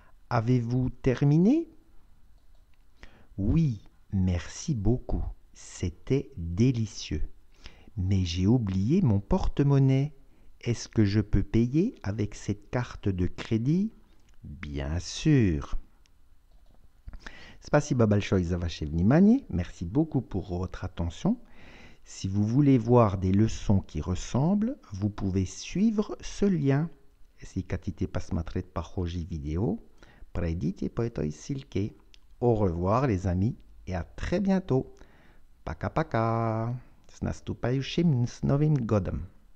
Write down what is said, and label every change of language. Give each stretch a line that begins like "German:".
French: Avez-vous terminé? Oui, merci beaucoup. C'était délicieux. Mais j'ai oublié mon porte-monnaie. Est-ce que je peux payer avec cette carte de crédit? Bien sûr.
Russian: Спасибо большое за ваше внимание.
French: Merci beaucoup pour votre attention. Si vous voulez voir des leçons qui ressemblent, vous pouvez suivre ce lien.
Russian: Si хотите посмотреть похожие видео, пройдите по этой ссылке.
French: Au revoir les amis et à très bientôt.
Russian: Пока-пока. С наступающим Новым годом.